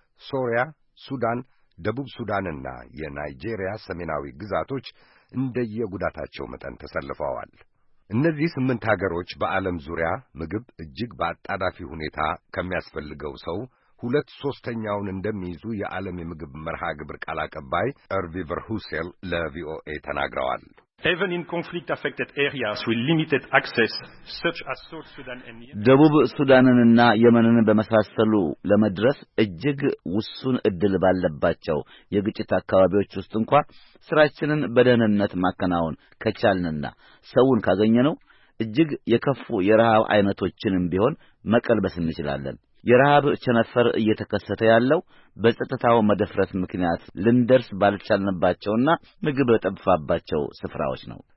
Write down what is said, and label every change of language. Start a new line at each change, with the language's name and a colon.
Amharic: ሶሪያ፣ ሱዳን፣ ደቡብ ሱዳንና የናይጄሪያ ሰሜናዊ ግዛቶች እንደየጉዳታቸው መጠን ተሰልፈዋል። እነዚህ 8 ሀገሮች በዓለም ዙሪያ ምግብ እጅግ በአጣዳፊ ሁኔታ ከሚያስፈልገው ሰው 2/3 እንደሚይዙ የዓለም የምግብ መርሃ ግብር ቃል አቀባይ አርቪ ቨርሁሴል ለቪኦኤ ተናግረዋል።
English: Even in conflict affected areas with limited access such as South Sudan and Yemen.
Amharic: ደቡብ ሱዳንንና የመንን በመሳሰሉ ለመድረስ እጅግ ውሱን እድል ባለባቸው የግጭት አካባቢዎች ውስጥ እንኳን ስራችንን በደህንነት ማከናወን ከቻልንና ሰውን ካገኘነው እጅግ የከፉ የረሃብ አይነቶችንም ቢሆን መቀልበስ እንችላለን። የረሃብ ቸነፈር እየተከሰተ ያለው በጸጥታው መደፍረስ ምክንያት ልንደርስ ባልቻልንባቸውና ምግብ ተጠፋባቸው ስፍራዎች ነው።